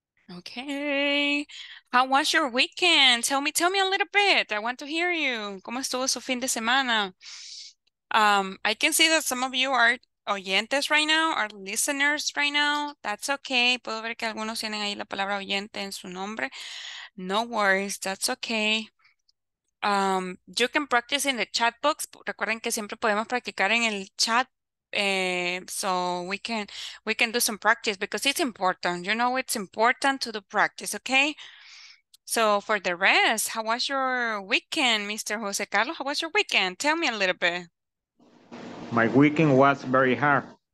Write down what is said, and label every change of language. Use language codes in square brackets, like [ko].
[en] Okay. How was your weekend? Tell me a little bit. I want to hear you. [es] ¿Cómo estuvo su fin de semana? [en] I can see that some of you are oyentes right now, our listeners right now. That's okay. [es] Puedo ver que algunos tienen ahí la palabra oyente en su nombre. [en] No worries. That's okay. You can practice in the chat box. [es] Recuerden que siempre podemos practicar en el chat. [en] So we can do some practice because it's important. You know, it's important to do practice. Okay. So for the rest, how was your weekend, Mr. Jose Carlos? How was your weekend? Tell me a little bit. My weekend was very hard.